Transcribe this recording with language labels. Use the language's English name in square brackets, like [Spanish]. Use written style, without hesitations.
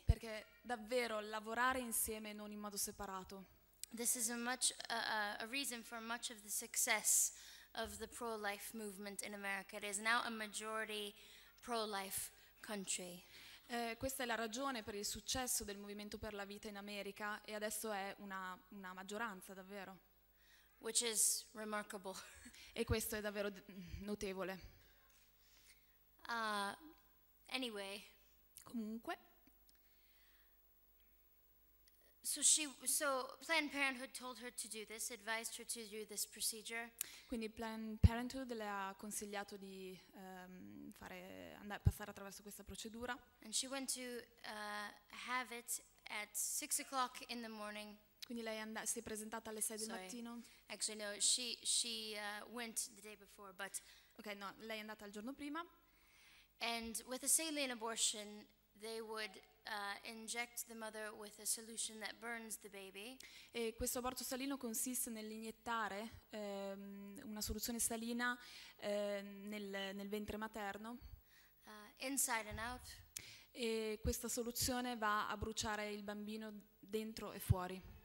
[Italian] Perché davvero lavorare insieme non in modo separato. [English] This is a reason for much of the success of the pro-life movement in America. It is now a majority pro-life country. [Italian] Questa è la ragione per il successo del movimento per la vita in America e adesso è una maggioranza davvero. [English] Which is remarkable. [Italian] E questo è davvero notevole. [English] Anyway, [Italian] comunque, [English] so Planned Parenthood told her to do this, advised her to do this procedure. [Italian] Quindi Planned Parenthood le ha consigliato di passare attraverso questa procedura. [English] And she went to have it at 6 o'clock in the morning. [Italian] Quindi lei si è presentata alle 6 del mattino. [English] Actually, no, she went the day before, but. [Italian] Okay, no, lei è andata il giorno prima. [English] And with a saline abortion, they would inject the mother with a solution that burns the baby. [Italian] E questo aborto salino consiste nell'iniettare una soluzione salina nel ventre materno. [English] Inside and out. [Italian] E questa soluzione va a bruciare il bambino dentro e fuori.